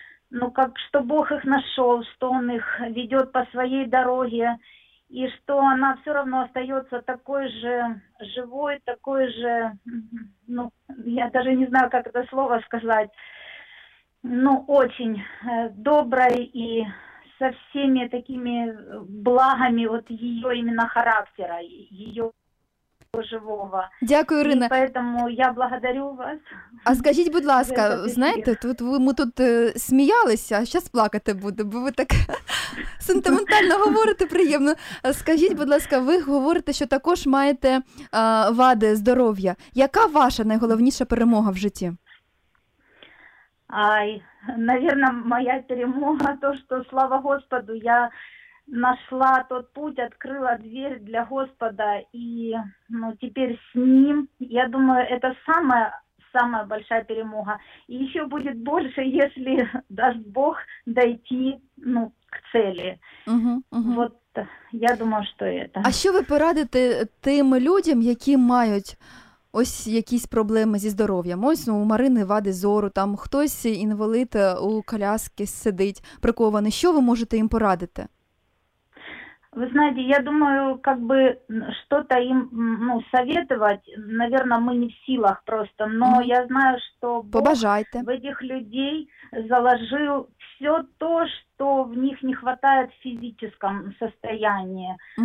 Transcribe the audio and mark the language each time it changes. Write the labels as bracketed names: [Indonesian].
[Russian] Ну, как, что Бог их нашел, что Он их ведет по своей дороге, и что она все равно остается такой же живой, такой же, ну, я даже не знаю, как это слово сказать, ну, очень доброй и со всеми такими благами вот ее именно характера, ее... живого. [Ukrainian] Дякую, Ірина. [Russian] І поэтому я благодарю вас. [Ukrainian] А скажіть, будь ласка, знаєте, тут ми тут сміялися, а зараз плакати буду, бо ви так сентиментально говорите, приємно. Скажіть, будь ласка, ви говорите, що також маєте вади здоров'я. Яка ваша найголовніша перемога в житті? [Russian] Ай, наверное, моя перемога то, що слава Господу, я нашла тот путь, открыла дверь для Господа, и, ну, теперь с Ним, я думаю, это самая большая перемога. И еще будет больше, если даст Бог дойти, ну, к цели. Вот я думаю, что это. [Ukrainian] А що ви порадите тим людям, які мають ось якісь проблеми зі здоров'ям? Ось, ну, у Марини вади зору, там хтось інвалід у коляски сидить, прикований. Що ви можете їм порадити? [Russian] Вы знаете, я думаю, как бы что-то им, ну, советовать, наверное, мы не в силах просто, но я знаю, что Бог [Ukrainian] побажайте [Russian] в этих людей заложил все то, что в них не хватает в физическом состоянии.